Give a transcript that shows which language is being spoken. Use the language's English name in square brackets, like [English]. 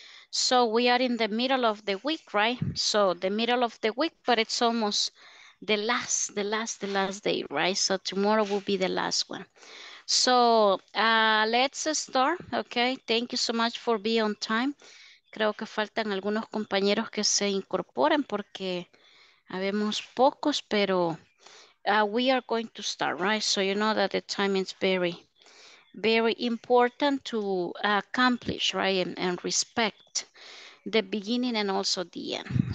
[English] So we are in the middle of the week, right? So the middle of the week, but it's almost the last day, right? So tomorrow will be the last one. So let's start, okay? Thank you so much for being on time. [Spanish] Creo que faltan algunos compañeros que se incorporen porque habemos pocos, pero [English] we are going to start, right? So you know that the time is very, very important to accomplish, right? And respect the beginning and also the end.